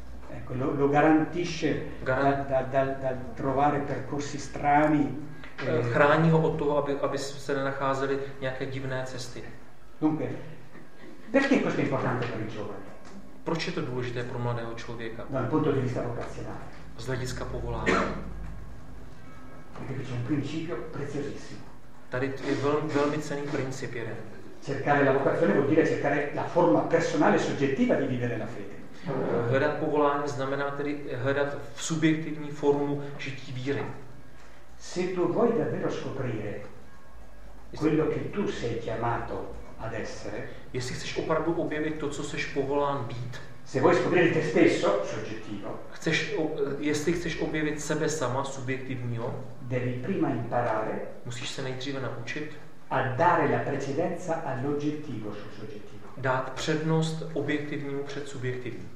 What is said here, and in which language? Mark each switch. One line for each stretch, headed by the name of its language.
Italian: Ecco, lo garantisce dal trovare percorsi strani.
Czech: Chrání ho od toho, aby se nenacházeli nějaké divné cesty.
Italian: Dunque, perché questo è importante per i giovani?
Czech: Proč je to důležité pro mladého člověka?
Italian: Dal punto di vista vocazionale.
Czech: Z hlediska povolání.
Italian: Perché c'è un principio preziosissimo.
Czech: Tady je velmi cenný princip jeden.
Italian: Cercare la vocazione vuol dire cercare la forma personale e soggettiva di vivere la fede.
Czech: Hledat povolání znamená tedy hledat v subjektivní formu žití víry.
Italian: Se tu vuoi davvero scoprire quello che tu sei chiamato ad essere,
Czech: jestli chceš opravdu objevit to, co seš povolán být,
Italian: se vuoi scoprire te stesso, soggettivo,
Czech: jestli chceš objevit sebe sama, subjektivního,
Italian: devi prima imparare,
Czech: musíš se nejdříve naučit,
Italian: a dare la precedenza all'oggettivo sul soggettivo.
Czech: Dát přednost objektivnímu před subjektivním.